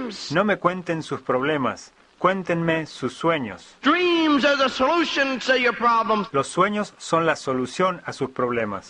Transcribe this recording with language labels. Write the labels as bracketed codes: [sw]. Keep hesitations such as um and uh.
[es] No me cuenten sus problemas. Cuéntenme sus sueños. [en] Dreams are the to your problems. [es] Los sueños son la solución a sus problemas.